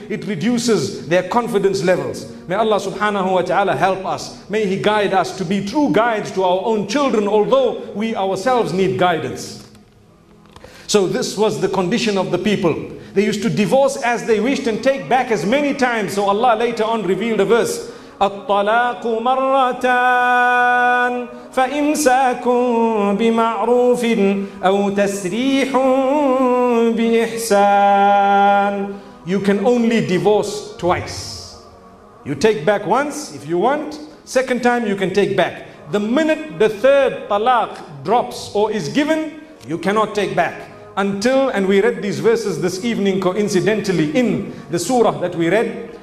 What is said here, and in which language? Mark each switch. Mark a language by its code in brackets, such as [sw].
[en] It reduces their confidence levels. May Allah subhanahu wa ta'ala help us. May He guide us to be true guides to our own children, although we ourselves need guidance. So this was the condition of the people. They used to divorce as they wished and take back as many times. So Allah later on revealed a verse. [ar] الطلاق مرتان فإمساك بمعروف أو تسريح بإحسان. [en] You can only divorce twice. You take back once if you want. Second time you can take back. The minute the third talaq drops or is given, you cannot take back. Until, and we read these verses this evening coincidentally in the surah that we read.